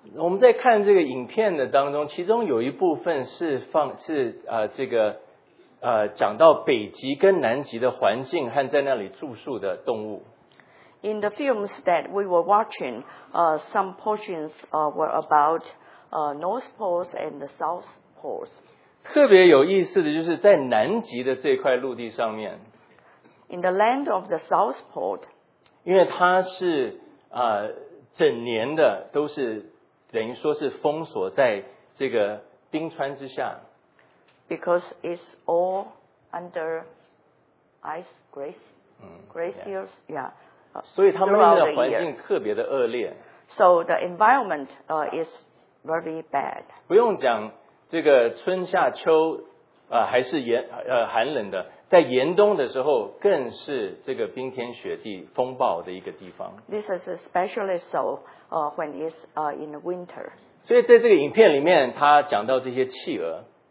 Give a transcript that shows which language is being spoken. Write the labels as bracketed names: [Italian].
[Chinese] 我们在看这个影片的当中，其中有一部分是放是这个讲到北极跟南极的环境和在那里住宿的动物。 [English] In the films that we were watching, some portions were about North Poles and the South Poles. [Chinese] 特别有意思的就是在南极的这块陆地上面。 [English] In the land of the South Pole. [Chinese] 因为它是整年的都是等于说是封锁在这个冰川之下。 [English] Because it's all under ice glaciers, yeah. [Chinese] 所以他们那边的环境特别的恶劣。 [English] So the environment is very bad. [Chinese] 不用讲这个春夏秋还是寒冷的。在严冬的时候，更是这个冰天雪地、风暴的一个地方。 [English] This is especially so when it's in the winter. [Chinese] 所以在这个影片里面，他讲到这些企鹅。